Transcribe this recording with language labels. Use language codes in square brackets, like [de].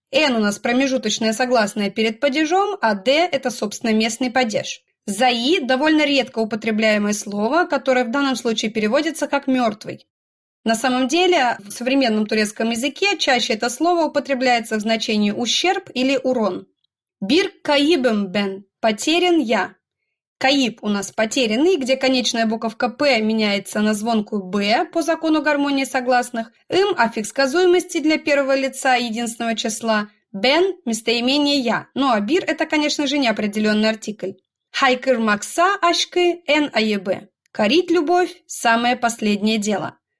[ru] N у нас промежуточное согласное перед падежом, а D – это, собственно, местный падеж. Zayı – довольно редко употребляемое слово, которое в данном случае переводится как «мертвый». На самом деле, в современном турецком языке чаще это слово употребляется в значении «ущерб» или «урон». [tr] «Bir kayıbım ben» – [ru] «потерян я». «Kayıp» у нас «потерянный», где конечная буковка «p» меняется на звонкую «b» по закону гармонии согласных. «Im» – аффикс сказуемости для первого лица единственного числа. «Ben» – местоимение «я». Ну а «bir» – это, конечно же, неопределенный артикль. [tr] «Haykırmaksa aşkı en ayıbı» [ru] – «корить любовь – самое последнее дело».